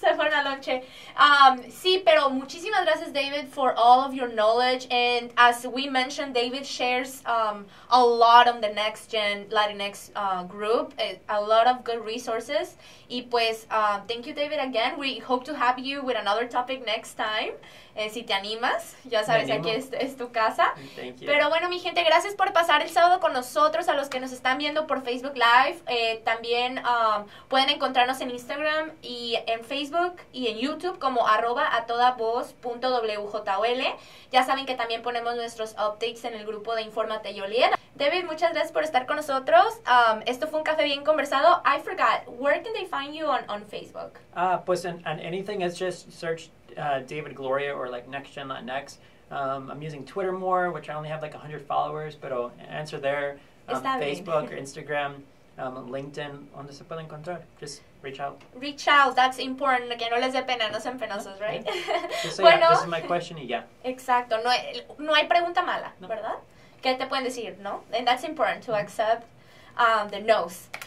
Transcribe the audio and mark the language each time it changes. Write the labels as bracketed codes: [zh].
[es] Se fueron a lonche. Sí, pero muchísimas gracias, David, [en] for all of your knowledge. And as we mentioned, David shares a lot on the Next Gen Latinx group, a lot of good resources. [es] Y pues, [en] thank you, David, again. We hope to have you with another topic next time. [es] Si te animas, ya sabes, aquí es tu casa. [en] Thank you. [es] Pero bueno, mi gente, gracias por pasar el sábado con nosotros, a los que nos están viendo por Facebook Live. También pueden encontrarnos en Instagram y en Facebook y en YouTube como @atodavoz.wjol. Ya saben que también ponemos nuestros updates en el grupo de Infórmate Yoliet. David, muchas gracias por estar con nosotros. Esto fue un café bien conversado. [en] I forgot, where can they find you on Facebook? [es] Pues en [en] anything, it's just search David Gloria or like NextGen Latinx. I'm using Twitter more, which I only have like 100 followers, but I'll answer there. [es] Facebook or Instagram, LinkedIn, donde se puede encontrar. [en] Just reach out. Reach out, that's important. [es] Que no les dé pena, no sean penosos, right? [en] Yeah. Just say, [es] bueno, [en] yeah, this is my question, yeah. [es] Exacto, no hay pregunta mala, no. ¿Verdad? ¿Qué te pueden decir, no? [en] And that's important to accept the no's.